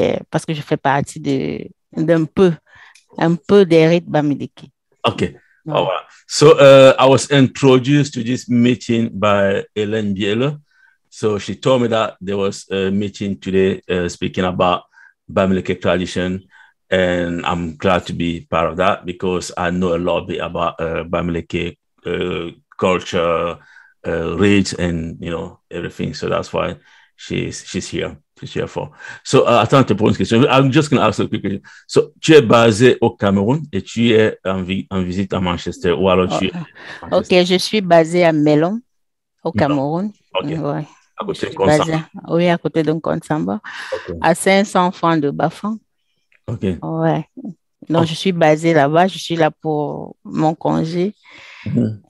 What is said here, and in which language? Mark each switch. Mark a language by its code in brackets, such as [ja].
[fr] Parce que je fais partie d'un peu des rites bamléké. OK. Oh, wow. [en] So I was introduced to this meeting by Hélène Bielle. So she told me that there was a meeting today speaking about Bamlake tradition, and I'm glad to be part of that because I know a lot bit about Bamlake culture, rage, and you know everything. So that's why she's here. She's here for. [fr] So attends, te pose une question. [en] I'm just going to ask a quick question. [fr] So tu es basé au Cameroun et tu es en visite à Manchester ou alors tu es à Manchester? Okay, je suis basé à Melon au Cameroun. Okay. Ouais. À côté de Consamba. Oui, à côté de Consamba, à 500 francs de Bafang. OK. Ouais. Donc, je suis basée là-bas. Je suis là pour mon congé. Mm-hmm.